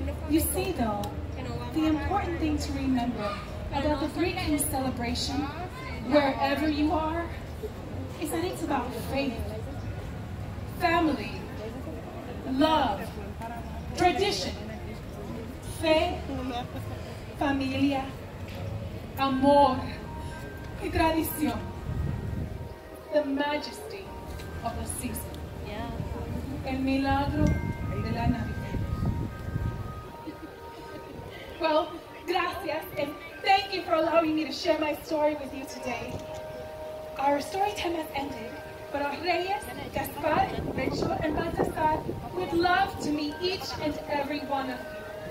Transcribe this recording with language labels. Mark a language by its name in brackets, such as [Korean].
[English] You see, though, the important thing to remember about the Three Kings celebration, wherever you are, is that it's about faith, family, love, tradition, [Spanish] fe, familia, amor, y tradición, [English] the majesty of the season, yeah. [Spanish] El milagro de la Navidad. [English] Well, gracias, and thank you for allowing me to share my story with you today. Our story time has ended, but our Reyes, Gaspar, Rachel, and Baltasar would love to meet each and every one of you.